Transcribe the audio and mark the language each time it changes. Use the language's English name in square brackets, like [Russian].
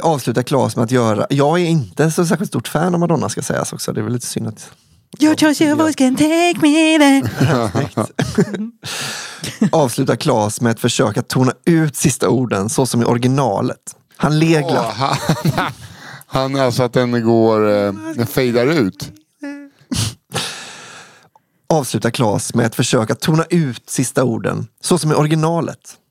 [Swedish] Avslutar Claes med att göra. Jag är inte så särskilt stort fan av Madonna, ska sägas också. Det är väl lite synd att... [English] Your choice, your voice can take me there. [Swedish] Avslutar Claes med ett försök att tona ut sista orden så som i originalet. Han leglar. Oh, han är alltså att den går, den fejdar ut. Avslutar Claes med ett försök att tona ut sista orden så som i originalet.